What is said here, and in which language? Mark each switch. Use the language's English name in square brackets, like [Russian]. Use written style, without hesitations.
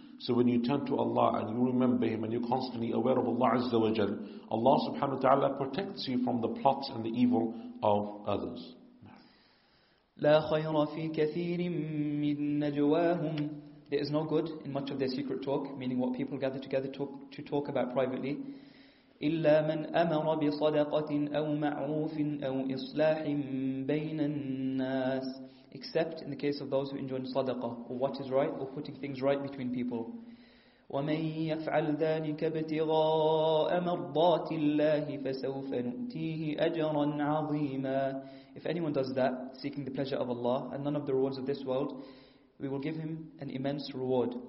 [English] So when you turn to Allah and you remember Him and you're constantly aware of Allah Azza wa Jal, Allah subhanahu wa ta'ala protects you from the plots and the evil of others. [Arabic] لا خير في كثير من نجواهم. [English] There is no good in much of their secret talk, meaning what people gather together to talk about privately. [Arabic] إلا من أمر بصدقة أو معروف أو إصلاح بين الناس. [English] Except in the case of those who enjoin sadaqah, or what is right, or putting things right between people. [Arabic] وَمَنْ يَفْعَلْ ذَلِكَ ابْتِغَاءَ مَرْضَاتِ اللَّهِ فَسَوْفَ نُؤْتِيهِ أَجْرًا عَظِيمًا. [English] If anyone does that, seeking the pleasure of Allah, and none of the rewards of this world, we will give him an immense reward.